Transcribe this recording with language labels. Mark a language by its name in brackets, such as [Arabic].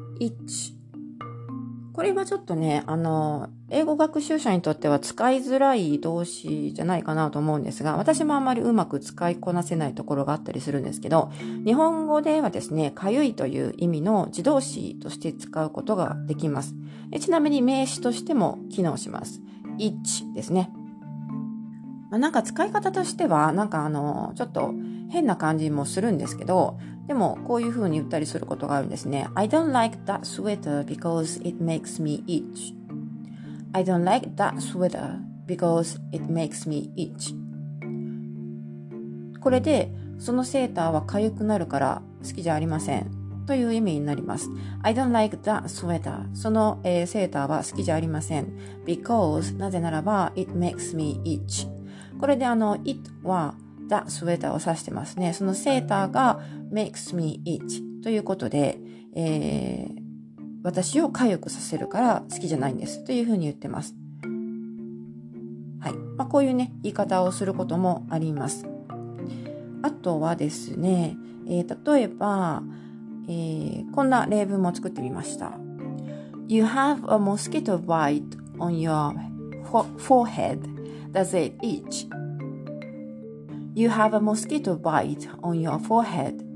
[Japanese] itch これはちょっとね、英語学習者にとっては使いづらい動詞じゃないかなと思うんですが、私もあまりうまく使いこなせないところがあったりするんですけど、日本語ではですね、かゆいという意味の自動詞として使うことができます。ちなみに名詞としても機能します。 itch ですね。なんか使い方としては、なんかちょっと変な感じもするんですけど、でもこういう風に言ったりすることがあるんですね。 [English] I don't like that sweater because it makes me itch. I don't like that sweater because it makes me itch. [Japanese] これで、そのセーターは痒くなるから好きじゃありませんという意味になります。 [English] I don't like that sweater. [Japanese] その、セーターは好きじゃありません。 because なぜならば [English] it makes me itch. [Japanese] これで it は [English] the sweater [Japanese] を指してますね。そのセーターが [English] makes me itch [Japanese] ということで、私を痒くさせるから好きじゃないんですというふうに言ってます。はい。まあ、こういうね、言い方をすることもあります。あとはですね、例えば、こんな例文も作ってみました。 [English] You have a mosquito bite on your forehead. Does it itch? You have a mosquito bite on your forehead.